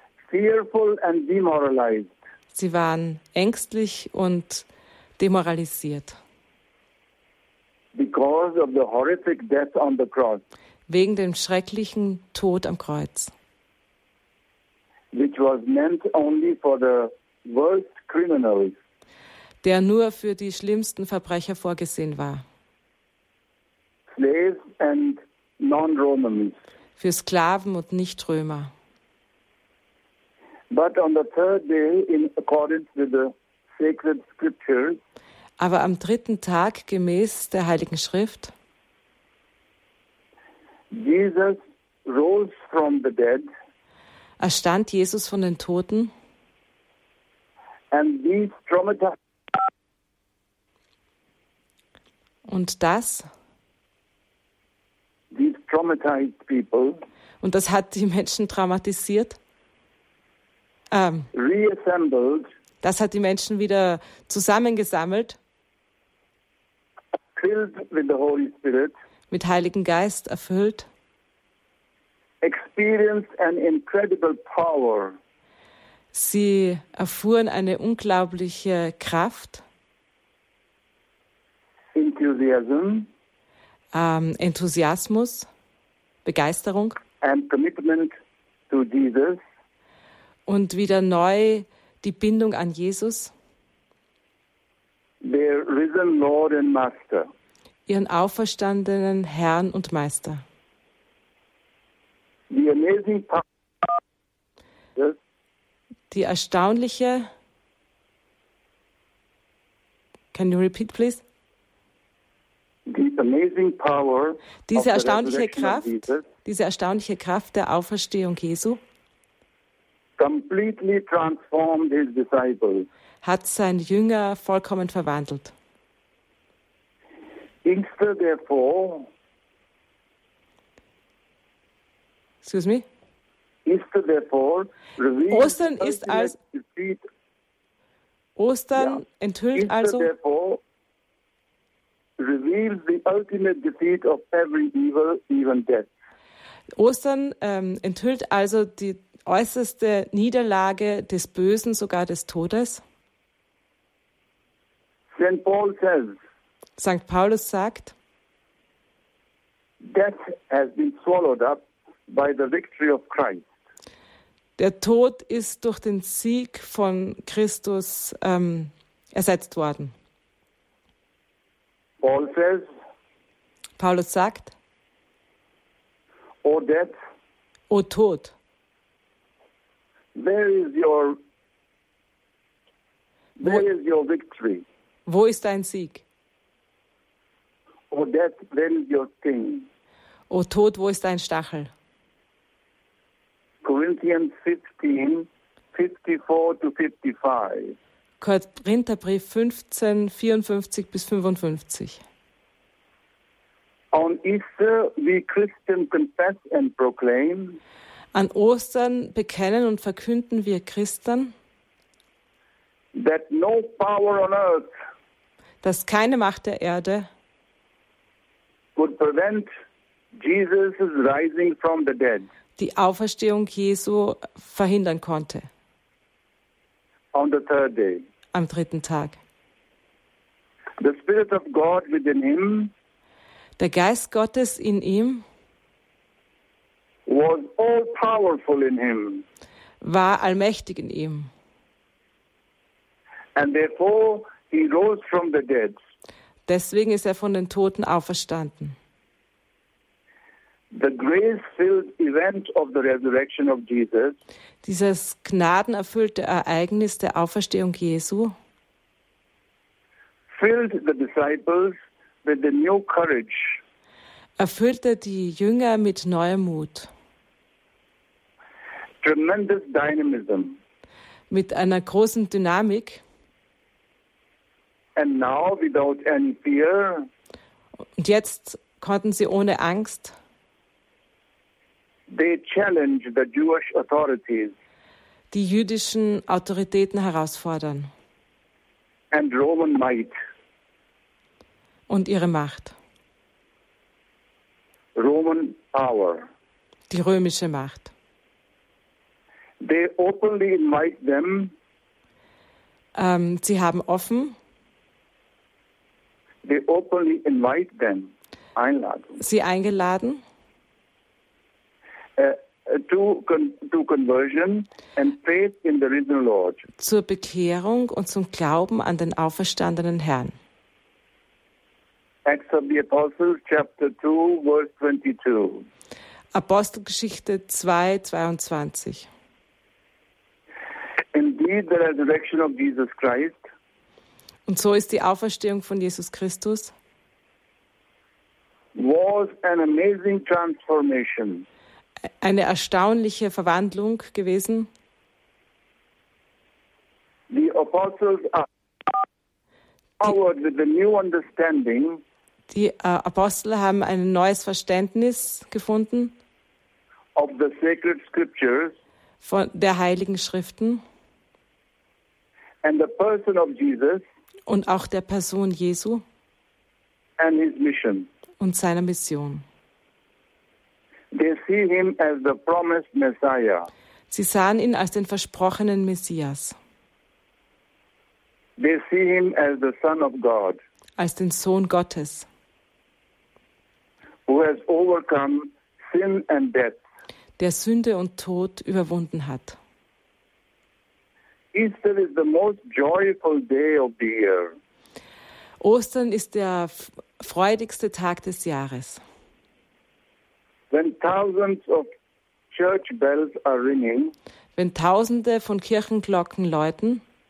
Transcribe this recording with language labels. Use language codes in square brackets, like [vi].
[en] Fearful and demoralized. [de] Sie waren ängstlich und demoralisiert. [en] Because of the horrific death on the cross. [de] Wegen dem schrecklichen Tod am Kreuz. [en] Which was meant only for the worst criminals. [de] Der nur für die schlimmsten Verbrecher vorgesehen war. [en] Slaves and non-Romans. [de] Für Sklaven und Nicht-Römer. [en] But on the third day, in accordance with the sacred scriptures, [de] aber am dritten Tag gemäß der Heiligen Schrift, [en] Jesus rose from the dead, [de] erstand Jesus von den Toten, [en] and these traumatized, [de] und das, [en] these traumatized people, [de] und das hat die Menschen traumatisiert. [en] Reassembled, [de] das hat die Menschen wieder zusammengesammelt, [en] filled with the Holy Spirit, [de] mit Heiligen Geist erfüllt, [en] experienced an incredible power. [de] Sie erfuhren eine unglaubliche Kraft, [en] enthusiasm, [de] Enthusiasmus, Begeisterung [en] and commitment to Jesus. [de] Und wieder neu die Bindung an Jesus, [en] their risen Lord and Master, [de] ihren auferstandenen Herrn und Meister, [en] the amazing power, yes, [de] die erstaunliche, [en] can you repeat please, the amazing power, [de] diese erstaunliche Kraft, diese erstaunliche Kraft der Auferstehung Jesu, [en] completely transformed his disciples. [de] Hat sein Jünger vollkommen verwandelt. [en] Easter therefore. Excuse me. Easter therefore reveals. [de] Ostern ist als defeat. Ostern, yeah, enthüllt [en] Easter [de] also. [en] Easter therefore reveals the ultimate defeat of every evil, even death. [de] Ostern enthüllt also die äußerste Niederlage des Bösen, sogar des Todes. [en] St. Paul says, [de] St. Paulus sagt, [en] death has been swallowed up by the victory of Christ. [de] Der Tod ist durch den Sieg von Christus ersetzt worden. [en] Paul says, [de] Paulus sagt, [en] O death, [de] O Tod, [en] Where is your victory? [de] Wo ist dein Sieg? [en] O death, where is your sting? [de] O Tod, wo ist dein Stachel? [en] Corinthians 15, 54 to 55. [de] Korintherbrief 15, 54 bis 55. [en] On Easter, we Christians confess and proclaim. [de] An Ostern bekennen und verkünden wir Christen, [en] that no power on earth, [de] dass keine Macht der Erde [en] could prevent Jesus' rising from the dead, [de] die Auferstehung Jesu verhindern konnte. [en] On the third day, [de] am dritten Tag. [en] The Spirit of God within him, [de] der Geist Gottes in ihm, [en] was all powerful in him, [de] war allmächtig in ihm. [en] And therefore he rose from the dead. [de] Deswegen ist er von den Toten auferstanden. [en] The grace-filled event of the resurrection of Jesus, [de] dieses gnadenerfüllte Ereignis der Auferstehung Jesu, [en] filled the disciples with the new courage, [de] erfüllte die Jünger mit neuem Mut, [en] tremendous dynamism, [de] mit einer großen Dynamik, [en] and now without any fear, [de] und jetzt konnten sie ohne Angst, [en] they challenge the Jewish authorities, [de] die jüdischen Autoritäten herausfordern, [en] and Roman might, [de] und ihre Macht. [en] Roman power. [de] Die römische Macht. [en] They openly invite them. [de] Sie haben offen. [en] They openly invite them. [de] Einladen. Sie eingeladen. [en] To conversion and faith in the risen Lord. [de] Zur Bekehrung und zum Glauben an den auferstandenen Herrn. [en] Acts of the Apostles, chapter 2, verse 22. [de] Apostelgeschichte 2, 22. [en] Indeed, the resurrection of Jesus Christ. [de] Und so ist die Auferstehung von Jesus Christus. [en] Was an amazing transformation. [de] Eine erstaunliche Verwandlung gewesen. [en] The Apostles are empowered with a new understanding. [de] Die Apostel haben ein neues Verständnis gefunden [en] of the sacred scriptures [de] von der Heiligen Schriften [en] and the person of Jesus [de] und auch der Person Jesu [en] and his mission. [de] Und seiner Mission. [en] They see him as the promised Messiah. [de] Sie sahen ihn als den versprochenen Messias. [en] They see him as the Son of God. [de] Als den Sohn Gottes. [en] Who has overcome sin and death. [de] Der Sünde und Tod überwunden hat. [en] Easter is the most joyful day of the year. [de] Ostern ist der freudigste Tag des Jahres. [en] When thousands of church bells are ringing, [de] wenn Tausende von Kirchenglocken läuten,